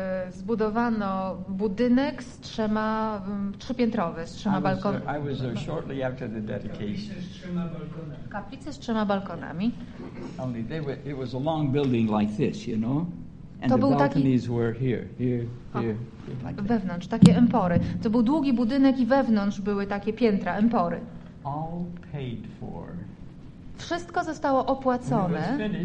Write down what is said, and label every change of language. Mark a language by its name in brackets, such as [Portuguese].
[Polish] Zbudowano budynek z trzema trzypiętrowy, z trzema balkonami. [English] I was there shortly after the dedication. [Polish] Kaplice z trzema balkonami. [English] Only they were, it was a long building like this, you know? And [Polish] to [English] the [Polish] był [English] balconies [Polish] taki [English] were here, like [Polish] wewnątrz, takie empory. To był długi budynek i wewnątrz były takie piętra, empory. [English] All paid for. [Polish] Wszystko zostało opłacone.